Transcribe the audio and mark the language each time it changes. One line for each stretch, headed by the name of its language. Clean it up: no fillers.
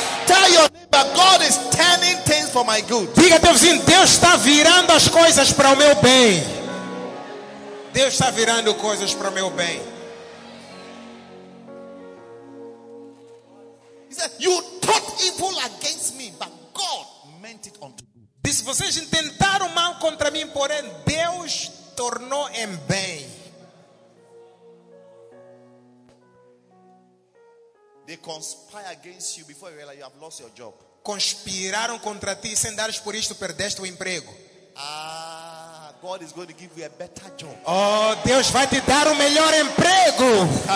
English: Tell your neighbor, God is turning things for my good.
Portuguese: Diga teu vizinho, Deus está virando as coisas para o meu bem. Deus está virando coisas para o meu bem.
English: He said, you thought evil against me, but God meant it unto good.
Portuguese: Disse, vocês intentaram mal contra mim, porém Deus tornou em bem.
English: They conspire against you before you realize you have lost your job.
Portuguese: Conspiraram contra ti sem dares por isto perdeste o emprego.
English: Ah, God is going to give you a better job.
Portuguese: Oh, Deus vai te dar o melhor emprego.